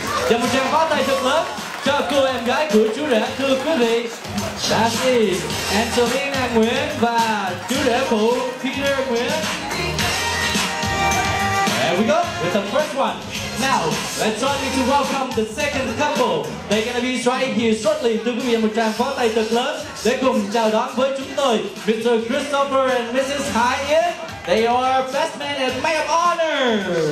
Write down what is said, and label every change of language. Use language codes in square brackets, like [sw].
[vi] Giờ một tràng pháo tay thật lớn cho cô em gái của chú rể, thưa quý vị. [en] That's it, [vi] Angelina Nguyen và chú rể phụ Peter Nguyen. [en] There we go, with the first one. Now, let's join me to welcome the second couple. They're gonna be right here shortly. [vi] Thưa quý vị, một tràng pháo tay thật lớn để cùng chào đón với chúng tôi, Mr. [en] Christopher and Mrs. Hai Yen. They are best man and man of honor.